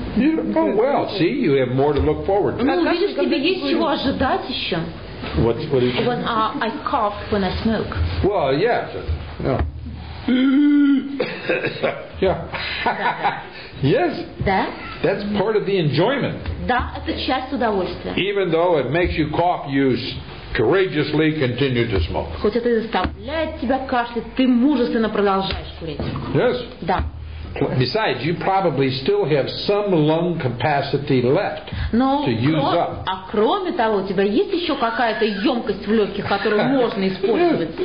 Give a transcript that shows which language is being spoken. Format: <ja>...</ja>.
<en>Oh, well, see, you have more to look forward to.</en> <ru>Ну, видишь, тебе есть чего ожидать еще.</ru> <en>What is it? When I cough when I smoke. Well, yeah. Yeah. Yes.</en> <ru>Да?</ru> <en>That's part of the enjoyment.</en> <ru>Да, это часть удовольствия.</ru> <en>Even though it makes you cough, you courageously continue to smoke.</en> <ru>Хоть это и заставляет тебя кашлять, ты мужественно продолжаешь курить.</ru> <en>Yes.</en> <ru>Да.</ru> <en>Besides, you probably still have some lung capacity left to use up.</en> <ru>А кроме того, у тебя есть еще какая-то емкость в легких, которую можно использовать?</ru>